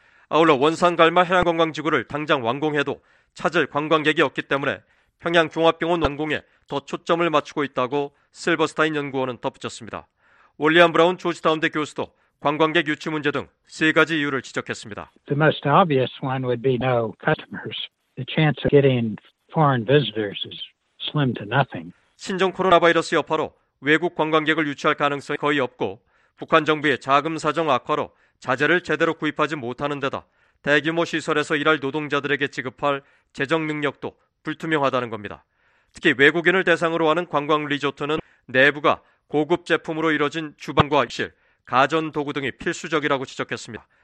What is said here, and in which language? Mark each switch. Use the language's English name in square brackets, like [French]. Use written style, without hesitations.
[Korean] 아울러 원산 갈마 해양관광지구를 당장 완공해도 찾을 관광객이 없기 때문에 평양종합병원 완공에 더 초점을 맞추고 있다고 실버스타인 연구원은 덧붙였습니다. 월리안 브라운 조지타운대 교수도 관광객 유치 문제 등 세 가지 이유를 지적했습니다. [English] The most obvious one would be no customers. The chance of getting foreign visitors is slim to nothing. [Korean] 신종 코로나 바이러스 여파로 외국 관광객을 유치할 가능성이 거의 없고 북한 정부의 자금 사정 악화로 자재를 제대로 구입하지 못하는 데다 대규모 시설에서 일할 노동자들에게 지급할 재정 능력도 불투명하다는 겁니다. 특히 외국인을 대상으로 하는 관광 리조트는 내부가 고급 제품으로 이뤄진 주방과 실, 가전 도구 등이 필수적이라고 지적했습니다.